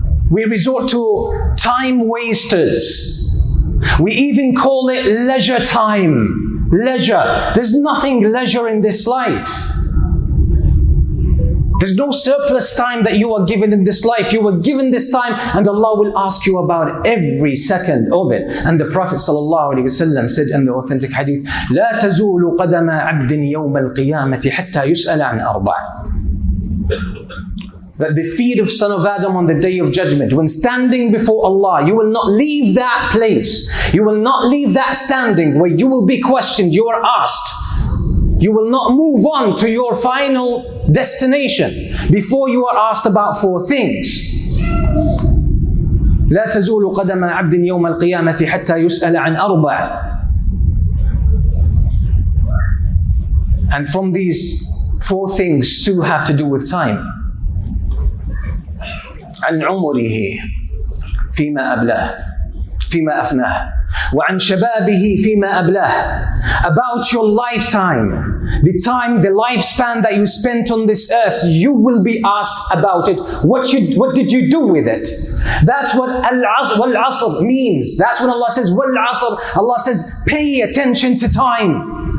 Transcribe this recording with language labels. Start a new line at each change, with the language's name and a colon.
English: We resort to time wasters. We even call it leisure time. Leisure. There's nothing leisure in this life. There's no surplus time that you are given in this life. You were given this time and Allah will ask you about every second of it. And the Prophet ﷺ said in the authentic hadith,
Arabic: لا تزول قدم عبد يوم القيامة حتى يسأل عن أربع.
English: That the feet of Son of Adam on the Day of Judgment, when standing before Allah, you will not leave that place. You will not leave that standing where you will be questioned, you are asked. You will not move on to your final destination before you are asked about four things.
Arabic: لا تزول قدم عبد يوم القيامة حتى يسأل عن أربع.
English: And from these four things, two have to do with time.
Arabic: عن عمره فيما أبلاه فيما أفناه وعن شبابه فيما أبلاه.
English: About your lifetime, the time, the lifespan that you spent on this earth, you will be asked about it. What did you do with it? That's what al-asr, wal-asr means. That's when Allah says wal-asr. Allah says pay attention to time.